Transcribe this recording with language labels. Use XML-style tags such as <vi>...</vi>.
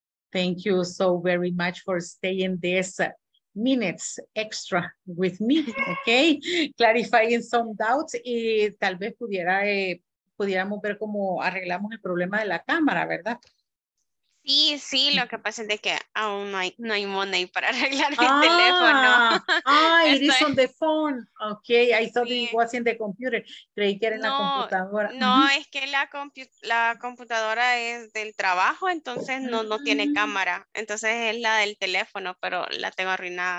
<en>Thank you so very much for staying this minutes extra with me, ok. Clarifying some doubts</en> <es>y tal vez pudiera, pudiéramos ver cómo arreglamos el problema de la cámara, ¿verdad? Sí, sí, lo que pasa es de que aún no hay money para arreglar el teléfono.</es> <en>Ah, it is on the phone. Ok, I thought it was in the computer.</en> <es>Creí que era en la computadora. No, uh-huh. Es que la computadora es del trabajo, entonces no tiene cámara. Entonces es la del teléfono, pero la tengo arruinada.</es>